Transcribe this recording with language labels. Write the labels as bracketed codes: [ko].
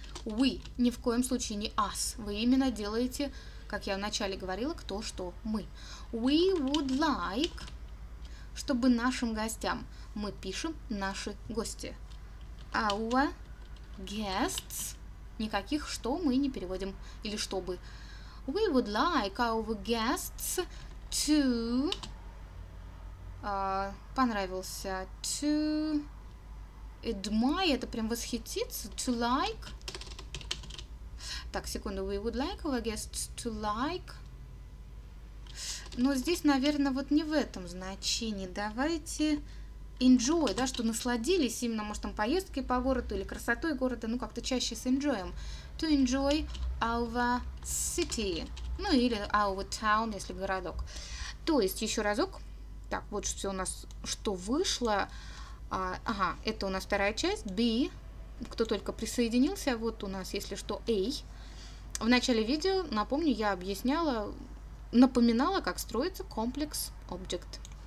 [en] We [ru] ни в коем случае не [en] us. [ru] Вы именно делаете, как я вначале говорила, кто что мы. [en] We would like, [ru] чтобы нашим гостям мы пишем наши гости. [en] Our guests. [ru] Никаких «что» мы не переводим или «чтобы». [en] We would like our guests to... [ru] понравился. [en] To admire. [ru] Это прям восхититься. [en] To like. [ru] Так, секунду. [en] We would like our guests to like. [ru] Но здесь, наверное, вот не в этом значении. Давайте... [en] Enjoy, [ru] да, что насладились именно, может, там, поездкой по городу или красотой города, ну, как-то чаще с enjoy'ем. [en] To enjoy our city, [ru] ну, или [en] our town, [ru] если городок. То есть, еще разок, так, вот все у нас, что вышло, это у нас вторая часть, be, кто только присоединился, вот у нас, если что, a. В начале видео, напомню, я объясняла, напоминала, как строится комплекс объект.